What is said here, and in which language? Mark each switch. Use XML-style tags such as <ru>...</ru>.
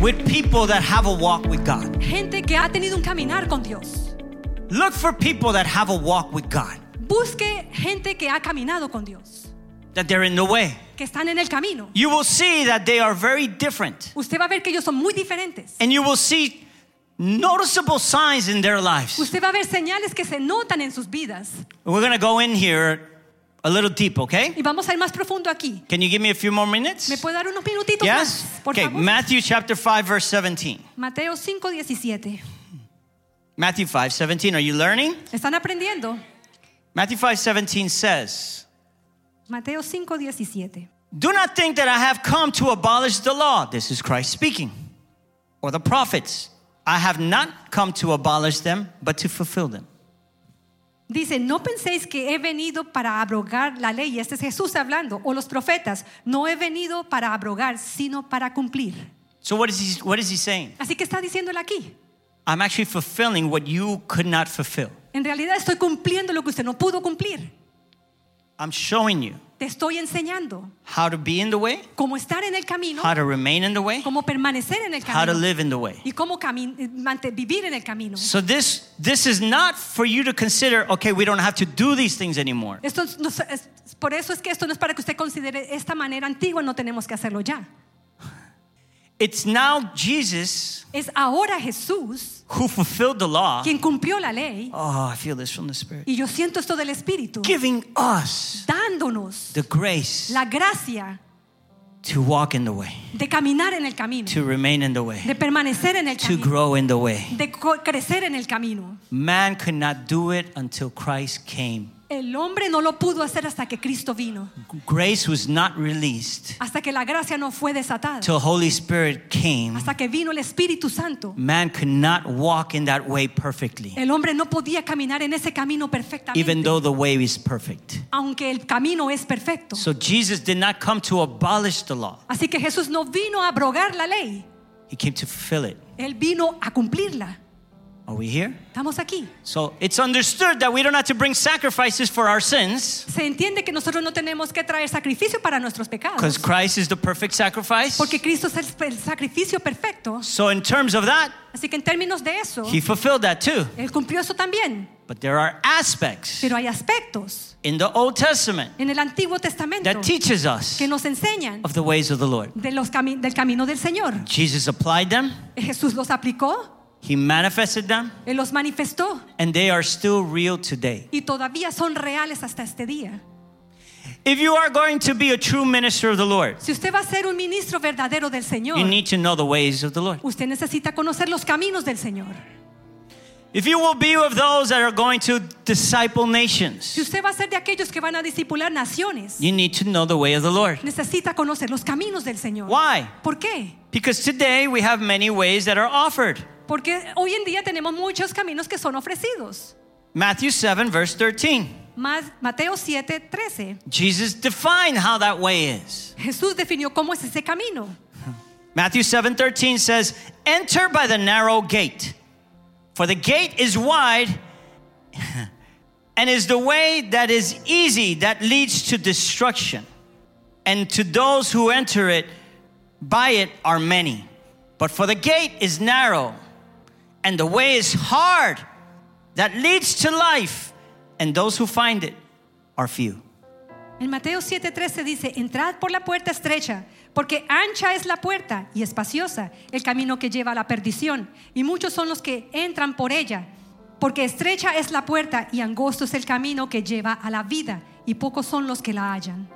<en>with people that have a walk with God.</en> <es>Gente que ha tenido un caminar con Dios.</es> <en>Look for people that have a walk with God.</en> <es>Busque gente que ha caminado con Dios.</es> <en>That they're in the way.</en> <es>Que están en el camino.</es> <en>You will see that they are very different.</en> <es>Usted va a ver que ellos son muy diferentes.</es> <en>And you will see noticeable signs in their lives.</en> <es>Usted va a ver señales que se notan en sus vidas.</es> <en>We're going to go in here a little deep, okay?</en> <es>Y vamos a ir más profundo aquí.</es> <en>Can you give me a few more minutes?</en> <es>¿Me puede dar unos minutitos</es> <en>yes?</en> <es>más, por</es> <en>okay,</en> <es>favor?</es> <en>Matthew chapter 5, verse 17.</en> <es>Mateo 5, 17.</es> <en>Matthew 5, 17. Are you learning?</en> <es>¿Están aprendiendo?</es> <en>Matthew 5, 17 says,</en> <es>Mateo 5, 17.</es> <en>Do not think that I have come to abolish the law. This is Christ speaking. Or the prophets. I have not come to abolish them, but to fulfill them.</en> <es>Dice, no penséis que he venido para abrogar la ley. Este es Jesús hablando, o los profetas. No he venido para abrogar, sino para cumplir.</es> <en>So what is he saying?</en> <es>Así que está diciéndole aquí.</es> <en>I'm actually fulfilling what you could not fulfill.</en> <es>En realidad estoy cumpliendo lo que usted no pudo cumplir.</es> <en>I'm showing you.</en> <es>Te estoy enseñando.</es> <en>How to be in the way.</en> <es>Cómo estar en el camino.</es> <en>How to remain in the way.</en> <es>Cómo permanecer en el camino.</es> <en>How to live in the way.</en> <es>Y cómo vivir en el camino.</es> <en>So this is not for you to consider, okay, we don't have to do these things anymore.</en> <es>Esto no es, por eso es que esto no es para que usted considere esta manera antigua, no tenemos que hacerlo ya.</es> <en>It's now Jesus.</en> <es>Es ahora Jesús.</es> <en>Who fulfilled the law?</en> <es>Quien cumplió la ley.</es> <en>Oh, I feel this from the Spirit.</en> <es>Y yo siento esto del Espíritu.</es> <en>Giving us.</en> <es>Dándonos.</es> <en>The grace.</en> <es>La gracia.</es> <en>To walk in the way.</en> <es>De caminar en el camino.</es> <en>To remain in the way.</en> <es>De permanecer en el</es> <en>camino. To grow in the way.</en> <es>De crecer en el camino.</es> <en>Man could not do it until Christ came.</en> <es>El hombre no lo pudo hacer hasta que Cristo vino.</es> <en>Grace was not released.</en> <es>Hasta que la gracia no fue desatada.</es> <en>Till Holy Spirit came.</en> <es>Hasta que vino el Espíritu Santo.</es> <en>Man could not walk in that way perfectly.</en> <es>El hombre no podía caminar en ese camino perfectamente.</es> <en>Even though the way is perfect.</en> <es>Aunque el camino es perfecto.</es> <en>So Jesus did not come to abolish the law.</en> <es>Así que Jesús no vino a abrogar la ley.</es> <en>He came to fulfill it.</en> <es>Él vino a cumplirla.</es> <en>Are we here?</en> <es>Estamos aquí.</es> <en>So it's understood that we don't have to bring sacrifices for our sins.</en> <es>Se entiende que nosotros no tenemos que traer sacrificio para nuestros pecados.</es> <en>Because Christ is the perfect sacrifice.</en> <es>Porque Cristo es el sacrificio perfecto.</es> <en>So in terms of that,</en> <es>así que en términos de eso,</es> <en>he fulfilled that too.</en> <es>Él cumplió eso también.</es> <en>But there are aspects.</en> <es>Pero hay aspectos.</es> <en>In the Old Testament.</en> <es>En el Antiguo Testamento.</es> <en>That teaches us.</en> <es>Que nos enseñan.</es> <en>Of the ways of the Lord.</en> <es>De los del camino del Señor.</es> <en>Jesus applied them.</en> <es>Jesús los aplicó.</es> <en>He manifested them.</en> <es>Él los manifestó.</es> <en>And they are still real today.</en> <es>Y todavía son reales hasta este día.</es> <en>If you are going to be a true minister of the Lord,</en> <es>si usted va a ser un ministro verdadero del Señor,</es> <en>you need to know the ways of the Lord.</en> <es>Usted necesita conocer los caminos del Señor.</es> <en>If you will be of those that are going to disciple nations,</en> <es>si usted va a ser de aquellos que van a discipular naciones,</es> <en>you need to know the way of the Lord.</en> <es>Necesita conocer los caminos del Señor.</es> <en>Why?</en> <es>¿Por qué?</es> <en>Because today we have many ways that are offered.</en> <es>Porque hoy en día tenemos muchos caminos que son ofrecidos.</es> <en>Matthew 7, verse 13.</en> <es>Mateo 7, 13.</es> <en>Jesus defined how that way is.</en> <es>Jesús definió cómo es ese camino.</es> <en>Matthew 7, 13 says, enter by the narrow gate, for the gate is wide and is the way that is easy that leads to destruction. And to those who enter it, by it are many. But for the gate is narrow, and the way is hard that leads to life, and those who find it are few.</en> <es>En Mateo 7:13 dice, entrad por la puerta estrecha, porque ancha es la puerta y espaciosa el camino que lleva a la perdición, y muchos son los que entran por ella, porque estrecha es la puerta y angosto es el camino que lleva a la vida, y pocos son los que la hallan.</es>